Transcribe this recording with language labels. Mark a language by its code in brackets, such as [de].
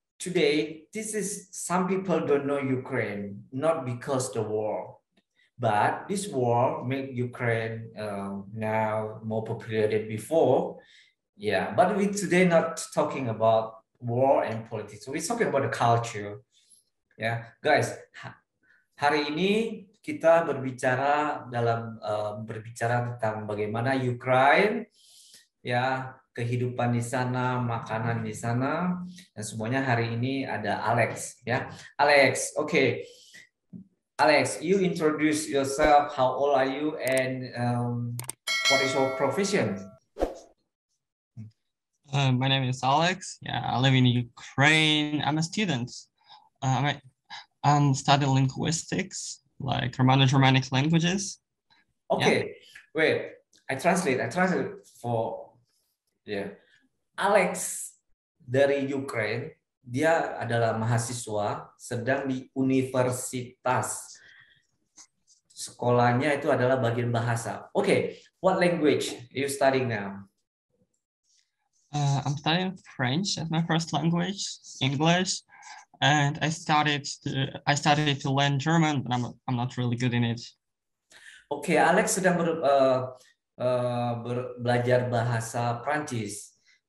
[en] Today, this is some people don't know Ukraine, not because the war. But this war make Ukraine now more popular than before. Yeah, but we today not talking about war and politics. So we're talking about the culture. [id] Yeah, guys, hari ini kita berbicara dalam berbicara tentang bagaimana Ukraine, ya, kehidupan di sana, makanan di sana, dan semuanya hari ini ada Alex. [en] Ya, Alex, okay. Alex, you introduce yourself. How old are you, and what is your profession? My name is Alex. Yeah, I live in Ukraine. I'm a student. I'm studying linguistics, like Romano-Germanic languages. Okay, yeah. Wait. I translate for yeah. [id] Alex dari Ukraine. Dia adalah mahasiswa sedang di universitas. Sekolahnya itu adalah bagian bahasa. [en] Okay, what language are you studying now? I'm studying French as my first language, English, and I started to learn German, but I'm not really good in it. [id] Okay, Alex sedang belajar bahasa Prancis.